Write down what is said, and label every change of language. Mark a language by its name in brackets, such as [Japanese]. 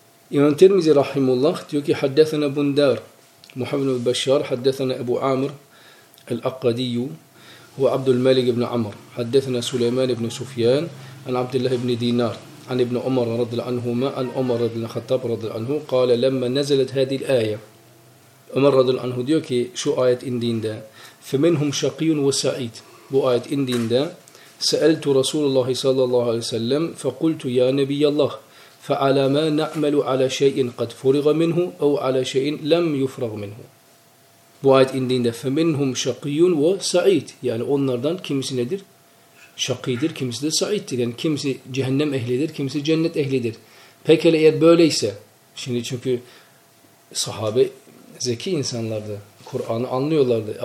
[Turkish] İmam Tirmizi rahimullah diyor ki haddesene Bundar Muhammed bin Beşşar, haddesene Ebu Amr el-Akkadiyyü ve Abdül Malik ibn Amr, haddesene Süleyman ibn Sufyan an Abdullah ibn Dinar an ibn Umar radıyallahu anhuma an Umar ibn Hattab radıyallahu anhu [Arabic] kâle lemme nezelet hâdil âye. [Turkish] Umar radıyallahu anhu diyor ki şu ayet indiğinde [Arabic] feminhum şakiyun ve sa'id. [Turkish] Bu ayet indiğinde [Arabic] سألت رسول الله صلى الله عليه وسلم فقلت يا نبي الله فعلى ما نعمل على شيء قد فرغ منه أو على شيء لم يفرغ منه. [Turkish] Bu ayet indiğinde [Arabic] فمنهم شقي وسعيد. [Turkish] Yani onlardan kimisi nedir? Şakidir, kimisi de saittir. Yani kimisi cehennem ehlidir, kimisi cennet ehlidir. Peki eğer böyleyse, şimdi çünkü sahabe zeki insanlardı, Kur'an'ı anlıyorlardı.